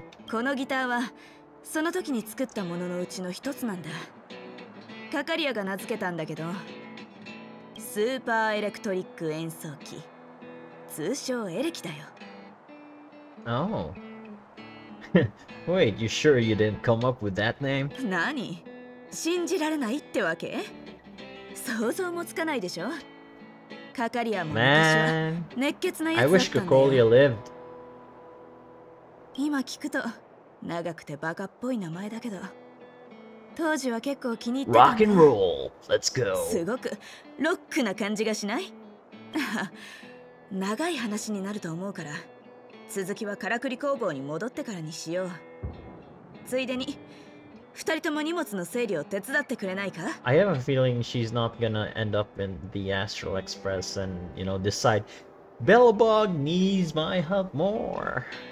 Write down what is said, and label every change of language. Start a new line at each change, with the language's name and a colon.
Japanese: このギターはその時に作ったもののうちの一つなんだ。カカリアが名付けたんだけど、スーパーエレクトリック演奏機、通称エレキだよ。
English: Oh. Wait, you sure you didn't come up with that name?
Japanese: 何？信じられないってわけ？想像もつかないでしょ？カカリアも熱血なやつだったんだよ。
English: I wish Kakolia lived.
Japanese: 今聞くと長くてバカっぽい名前だけど、当時は結構気に入ってた。
English: Rock and roll! Let's go!
Japanese: すごくロックな感じがしない？長い話になると思うから、続きはカラクリ工房に戻ってからにしよう。ついでに二人とも荷物の整理を手伝ってくれないか？
English: I have a feeling she's not gonna end up in the Astral Express and, you know, decide Belobog needs my help more.